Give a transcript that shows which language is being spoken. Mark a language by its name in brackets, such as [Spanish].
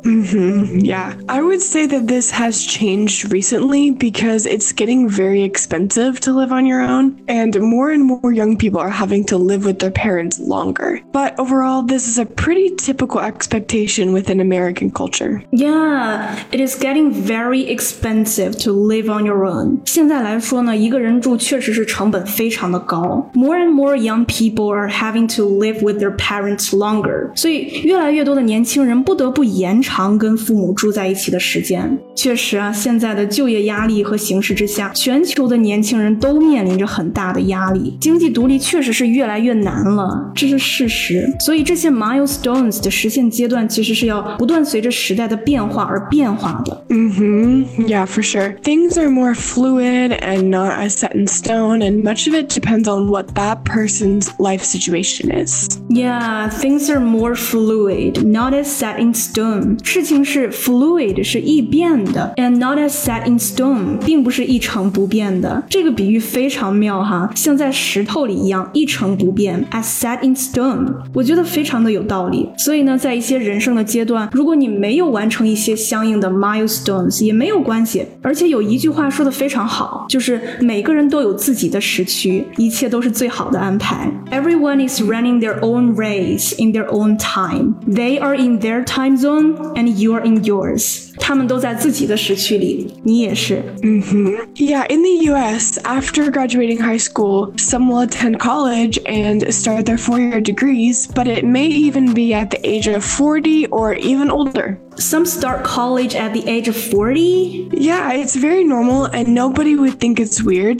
[English] Yeah, I would say that this has changed recently because it's getting very expensive to live on your own and more young people are having to live with their parents longer. But overall, this is a pretty typical expectation within American culture. Yeah, it is getting very expensive to live on your own. [Chinese] 现在来说呢，一个人住确实是成本非常的高。 [English] More and more young people are having to live with their parents longer. [Chinese] 所以越来越多的年轻人不得不延长跟父母住在一起的时间。确实啊，现在的就业压力和形势之下，全球的年轻人都面临着很大的压力。经济独立确实是越来越难了，这是事实。所以这些 milestones 的实现阶段其实是要不断随着时代的变化而变化的。 [English] Yeah, for sure. Things are more fluid and not as set in stone, and much of it depends on what that person person's life situation is. Yeah, things are more fluid, not as set in stone. [Chinese] 事情是 fluid, 是易变的 [English] and not as set in stone, [Chinese] 并不是一成不变的。这个比喻非常妙哈，像在石头里一样一成不变 [English] as set in stone, [Chinese] 我觉得非常的有道理。所以呢，在一些人生的阶段，如果你没有完成一些相应的 milestones, 也没有关系。而且有一句话说的非常好，就是每个人都有自己的时区，一切都是最好的安排。 [English] Everyone is running their own race in their own time. They are in their time zone and you are in yours. [Chinese] 他们都在自己的时区里，你也是。 [English] Yeah, in the US, after graduating high school, some will attend college and start their four-year degrees, but it may even be at the age of 40 or even older. Some start college at the age of 40? Yeah, it's very normal and nobody would think it's weird.